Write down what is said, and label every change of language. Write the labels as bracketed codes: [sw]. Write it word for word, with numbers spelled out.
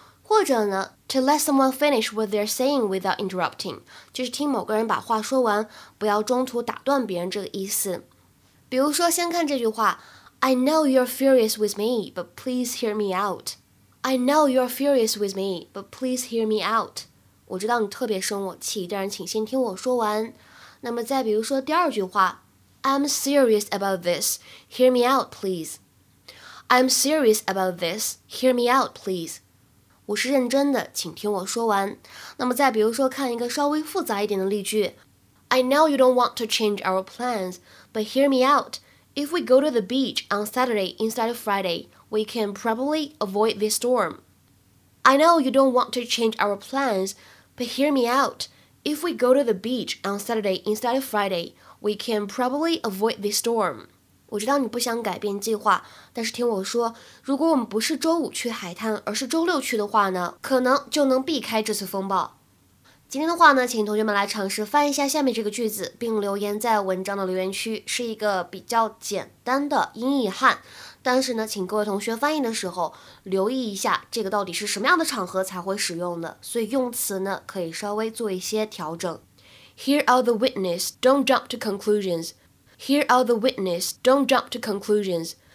[zh] 或者呢 [en] to let someone finish what they're saying without interrupting， [zh] 就是听某个人把话说完，不要中途打断别人这个意思。比如说，先看这句话 [en] ，I know you're furious with me, but please hear me out. I know you're furious with me, but please hear me out. [zh] 我知道你特别生我气，但是请先听我说完。那么再比如说第二句话 [en] ，I'm serious about this. Hear me out, please. I'm serious about this. Hear me out, please. [zh] 我是认真的，请听我说完。那么再比如说，看一个稍微复杂一点的例句 [en] ：I know you don't want to change our plans, but hear me out. If we go to the beach on Saturday instead of Friday, we can probably avoid this storm. I know you don't want to change our plans, but hear me out. If we go to the beach on Saturday instead of Friday, we can probably avoid this storm. [zh] 我知道你不想改变计划，但是听我说，如果我们不是周五去海滩，而是周六去的话呢，可能就能避开这次风暴。今天的话呢，请同学们来尝试翻译一下下面这个句子，并留言在文章的留言区，是一个比较简单的英译汉，但是呢，请各位同学翻译的时候留意一下，这个到底是什么样的场合才会使用的，所以用词呢可以稍微做一些调整。 [en] Hear out the witness, don't jump to conclusions. Hear out the witness, don't jump to conclusions.